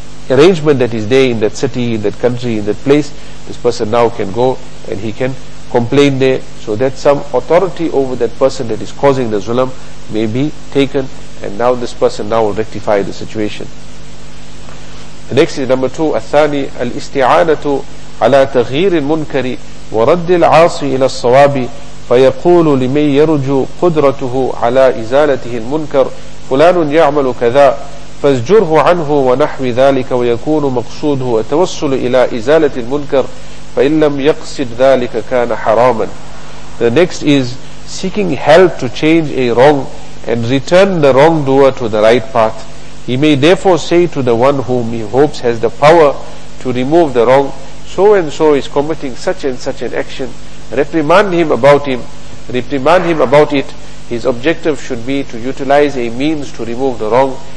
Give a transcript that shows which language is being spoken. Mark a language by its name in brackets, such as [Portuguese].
[English] arrangement that is there in that city, in that country, in that place, this person now can go and he can complain there, so that some authority over that person that is causing the zulm may be taken, and now this person now will rectify the situation. The next is number two, [Arabic] الثاني الاستعانة على تغيير المنكر ورد العاصي إلى الصواب فيقول لمن يرجو قدرته على إزالته المنكر فلان يعمل كذا فازجره عنه ونحو ذلك ويكون مقصوده التوصل إلى إزالة المنكر فإن لم يقصد ذلك كان حراما. [English] The next is seeking help to change a wrong and return the wrongdoer to the right path. He may therefore say to the one whom he hopes has the power to remove the wrong, so and so is committing such and such an action. Reprimand him about it. His objective should be to utilize a means to remove the wrong.